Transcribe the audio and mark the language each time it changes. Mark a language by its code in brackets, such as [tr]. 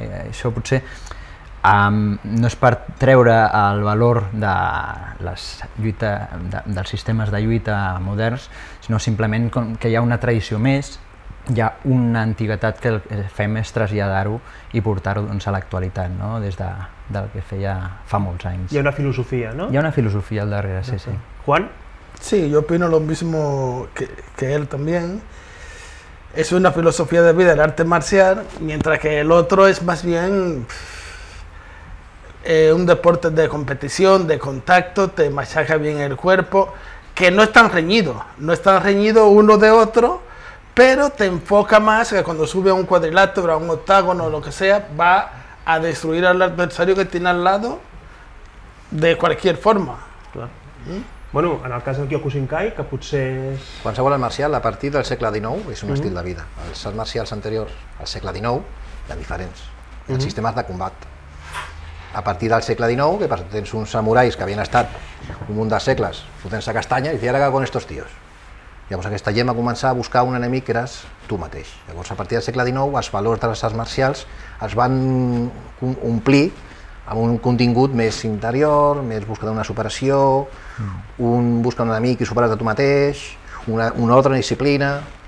[ca] Això potser no és per treure el valor de les lluita, dels sistemes de lluita moderns, sinó simplement que hi ha una tradició més, hi ha una antiguitat que fem és traslladar-ho i portar-ho doncs, a l'actualitat, no? Des de, del que feia fa molts anys. Hi ha una filosofia, no? Hi ha una filosofia al darrere, sí, sí. Juan? [es] Sí, yo opino lo mismo que él también. Es una filosofía de vida el arte marcial, mientras que el otro es más bien un deporte de competición, de contacto, te machaca bien el cuerpo, que no es tan reñido, no es tan reñido uno de otro, pero te enfoca más que cuando sube a un cuadrilátero, a un octágono o lo que sea, va a destruir al adversario que tiene al lado de cualquier forma. [ca] Bueno, en el cas del Kyokushinkai, que potser... Qualsevol art marcial, a partir del segle XIX, és un estil de vida. Els arts marcials anteriors al segle XIX, hi ha diferents. Hi ha sistemes de combat. A partir del segle XIX, que tens uns samurais que havien estat un munt de segles fotent-se castanya, i ara que [es] con estos tios. [ca] Llavors aquesta gent va començar a buscar un enemic que eres tu mateix. Llavors a partir del segle XIX els valors de les arts marcials es van omplir amb un contingut més interior, més busca d'una superació, un busca un enemic i superar-te tu mateix, una altra disciplina.